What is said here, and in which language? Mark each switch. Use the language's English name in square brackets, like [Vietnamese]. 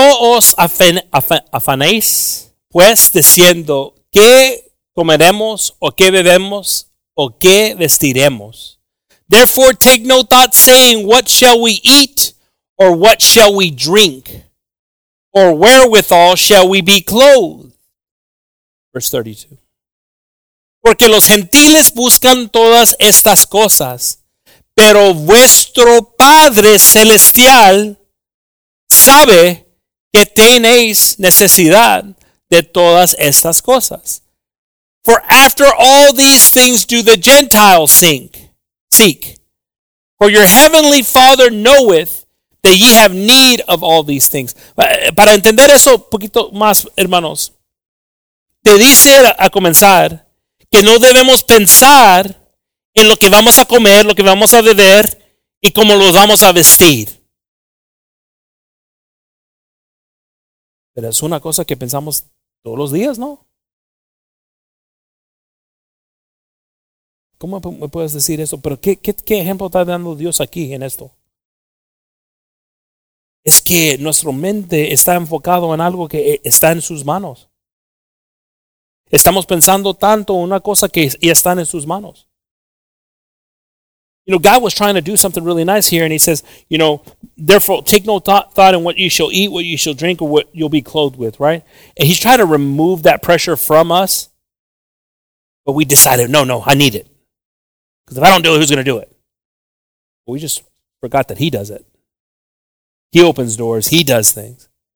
[Spanish] No os afanéis, pues, diciendo qué comeremos o qué bebemos o qué vestiremos. [English] Therefore, take no thought, saying, what shall we eat? Or what shall we drink? Or wherewithal shall we be clothed? Verse 32. [Spanish] Porque los gentiles buscan todas estas cosas, pero vuestro Padre Celestial sabe que tenéis necesidad de todas estas cosas. [English] For after all these things do the Gentiles seek. For your heavenly Father knoweth that ye have need of all these things. [Spanish] Para entender eso un poquito más, hermanos, te dice a comenzar que no debemos pensar en lo que vamos a comer, lo que vamos a beber y cómo los vamos a vestir. Pero es una cosa que pensamos todos los días, ¿no? ¿Cómo me puedes decir eso? ¿Pero qué ejemplo está dando Dios aquí en esto? Es que nuestra mente está enfocado en algo que está en sus manos. Estamos pensando tanto en una cosa que ya está en sus manos. [English] You know, God was trying to do something really nice here, and He says, you know, therefore take no thought in what you shall eat, what you shall drink, or what you'll be clothed with, right? And He's trying to remove that pressure from us, but we decided, no, I need it. Because if I don't do it, who's going to do it? We just forgot that he does it. He opens doors. He does things.